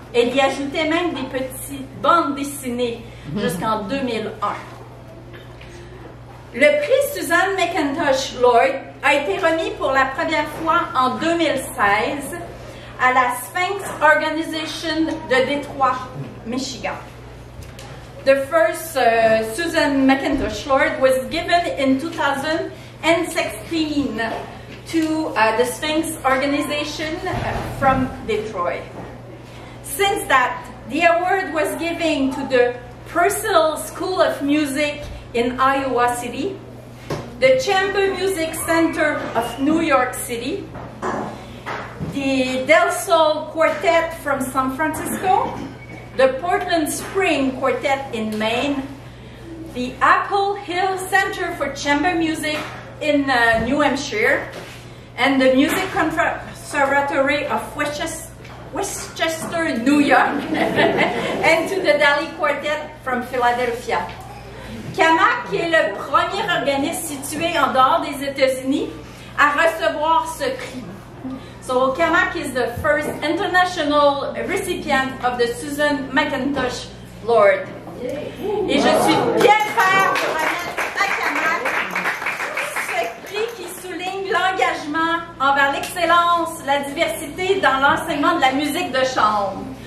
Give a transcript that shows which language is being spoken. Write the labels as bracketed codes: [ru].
[fr] Elle y ajoutait même des petites bandes dessinées jusqu'en 2001. Le prix Suzanne McIntosh Lloyd a été remis pour la première fois en 2016 à la Sphinx Organization de Détroit, Michigan. [en] The first Suzanne McIntosh Lloyd was given in 2016 to the Sphinx Organization from Detroit. Since that, the award was given to the Purcell School of Music in Iowa City, the Chamber Music Center of New York City, the Del Sol Quartet from San Francisco, the Portland Spring Quartet in Maine, the Apple Hill Center for Chamber Music in New Hampshire, and the Music Conservatory of Westchester, New York, and to the Dali Quartet from Philadelphia. [fr] CAMAC est le premier organisme situé en dehors des États-Unis à recevoir ce prix. [en] So CAMAC is the first international recipient of the Susan McIntosh Lord. [fr] Et je suis bien fière de remettre à CAMAC ce prix qui souligne l'engagement envers l'excellence, la diversité dans l'enseignement de la musique de chambre.